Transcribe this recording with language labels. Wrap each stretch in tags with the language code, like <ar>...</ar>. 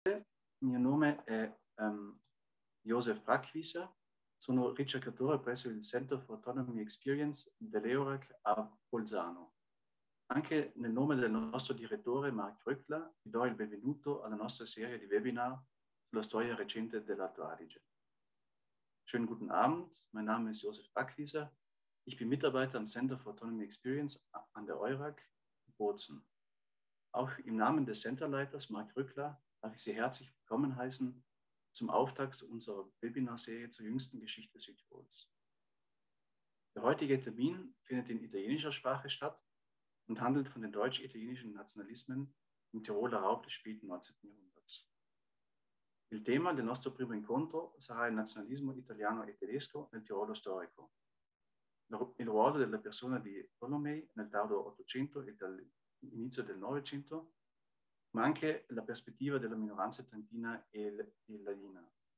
<it>Mio nome è Josef Brackwieser, sono ricercatore presso il Center for Autonomy Experience dell'EURAC a Bolzano. Anche nel nome del nostro direttore Mark Rückler vi do il benvenuto alla nostra serie di webinar sulla storia recente dell'Alto Adige.</it> <de>Schönen guten Abend, mein Name ist Josef Brackwieser. Ich bin Mitarbeiter am Center for Autonomy Experience an der EURAC in Bozen. Auch im Namen des Centerleiters Mark Rückler darf ich Sie herzlich willkommen heißen zum Auftakt unserer Webinarserie zur jüngsten Geschichte Südtirols. Der heutige Termin findet in italienischer Sprache statt und handelt von den deutsch-italienischen Nationalismen im Tiroler Raum des späten 19. Jahrhunderts.</de> <it>Il tema del nostro primo incontro sarà il nazionalismo italiano e tedesco nel Tirolo storico, il ruolo della persona di Tolomei nel tardo Ottocento e dall'inizio del Novecento, ma anche la prospettiva della minoranza trentina e ladina.</it>